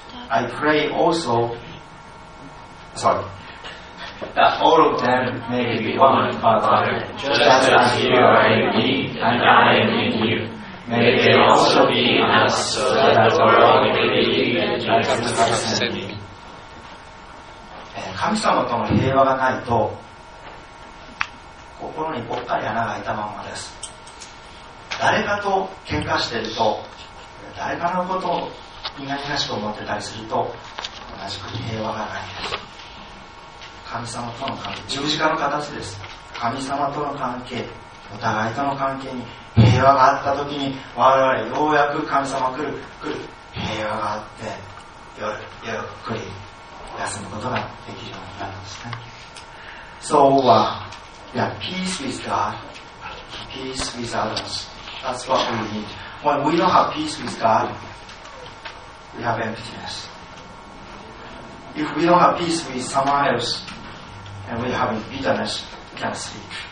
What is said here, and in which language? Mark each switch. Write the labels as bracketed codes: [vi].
[en] I pray also, that all of them may be one, Father, just as you are in me and I am in you. May they also be in us, so that the world may be in Jesus Christ. [ja] 神様との平和がないと心にぽっかり穴が開いたままです。誰かと喧嘩していると、誰かのことを苦々しく思ってたりすると、同じく平和がないです。神様との関係、十字架の形です。神様との関係、お互いとの関係に平和があったときに、我々ようやく神様来る平和があって、ゆっくり休むことができるようになるんですね。 [en] So we have peace with God, peace with others. That's what we need. When we don't have peace with God, we have emptiness. If we don't have peace with someone elseAnd we have bitterness, we can't sleep.